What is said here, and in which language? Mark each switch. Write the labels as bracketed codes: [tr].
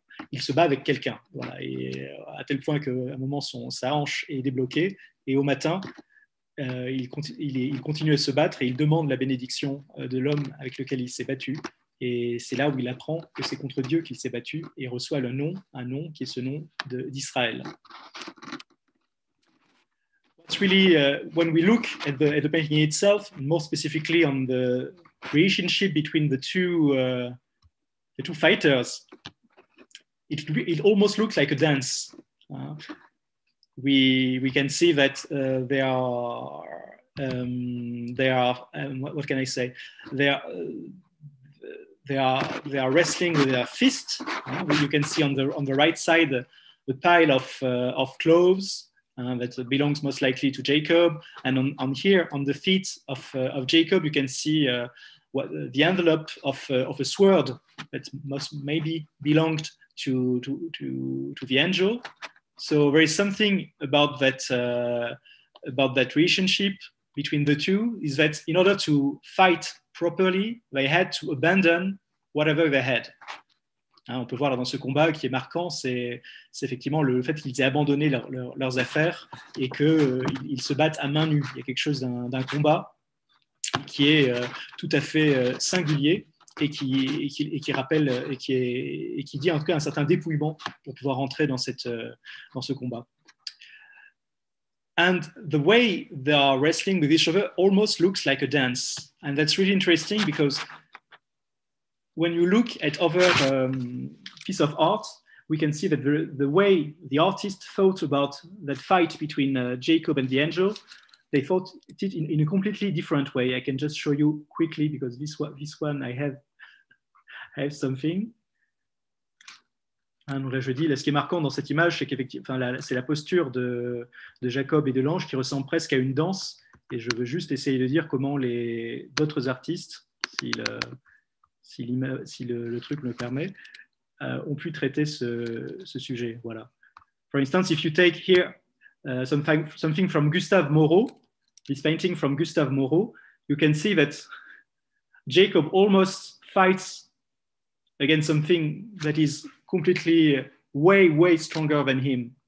[fr] il se bat avec quelqu'un, voilà, et à tel point qu'à un moment sa hanche est débloquée, et au matin, il continue à se battre et il demande la bénédiction de l'homme avec lequel il s'est battu, et c'est là où il apprend que c'est contre Dieu qu'il s'est battu et reçoit un nom qui est ce nom d'Israël. [en] It's really when we look at the painting itself, more specifically on the relationship between the two fighters. It almost looks like a dance. We can see that they are wrestling with their fists. You can see on the right side the pile of clothes that belongs most likely to Jacob, and on here on the feet of Jacob you can see the envelope of a sword that must maybe belonged to the angel. So there is something about that relationship between the two, is that in order to fight properly they had to abandon whatever they had. [fr] On peut voir dans ce combat qui est marquant, c'est effectivement le fait qu'ils aient abandonné leurs affaires et qu'ils se battent à main nue. Il y a quelque chose d'un combat qui est tout à fait singulier. Et qui rappelle et qui dit en tout cas un certain dépouillement pour pouvoir entrer dans ce combat. [en] And the way they are wrestling with each other almost looks like a dance, and that's really interesting because when you look at other piece of art, we can see that the way the artist thought about that fight between Jacob and the angel, they thought it in a completely different way. I can just show you quickly because this one I have something. [fr] Là, ce qui est marquant dans cette image, c'est qu'effectivement, c'est la posture de Jacob et de l'ange qui ressemble presque à une danse. Et je veux juste essayer de dire comment d'autres artistes, si le truc me permet, ont pu traiter ce sujet. Voilà. [en] For instance, if you take here something from Gustave Moreau, this painting from Gustave Moreau, you can see that Jacob almost fights against something that is completely way, way stronger than him.